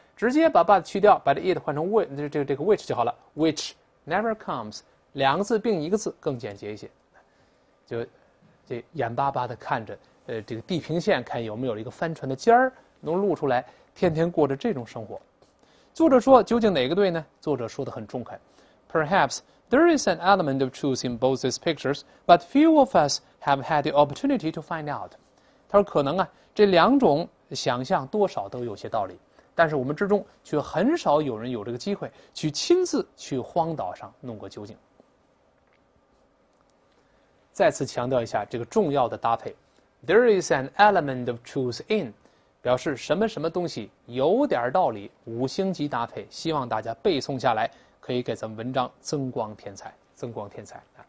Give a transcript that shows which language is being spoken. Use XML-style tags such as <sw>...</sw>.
<zh>直接把 but 去掉，把这 it 换成 这个 which 就好了。</zh> <en>Which never comes，</en> <zh>两个字并一个字更简洁一些。就眼巴巴的看着，这个地平线看有没有一个帆船的尖儿能露出来，天天过着这种生活。作者说究竟哪个对呢？作者说得很中肯。</zh> <en>Perhaps there is an element of truth in both these pictures, but few of us have had the opportunity to find out.</en> <zh>他说可能啊，这两种想象多少都有些道理，但是我们之中却很少有人有这个机会去亲自去荒岛上弄个究竟。再次强调一下这个重要的搭配，</zh> <en>There is an element of truth in，</en> <zh>表示什么什么东西有点道理，五星级搭配，希望大家背诵下来，可以给咱们文章增光添彩，增光添彩。</zh>